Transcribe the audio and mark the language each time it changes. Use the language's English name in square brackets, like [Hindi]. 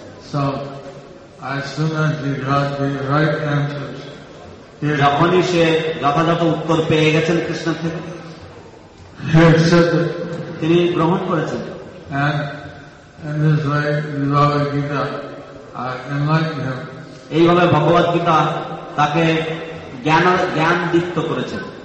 [English] So, as soon as he got the right answers, [Bangla] he যখনই সে যথাযথ উত্তর পেয়ে গেছেন কৃষ্ণ থেকে, [English] he accepted. [Bangla] তিনি গ্রহণ করেছেন। [English] And in this way, the Bhagavad Gita enlightened him. [Bangla] এইভাবে ভগবদ গীতা তাকে জ্ঞান দীপ্ত করেছেন।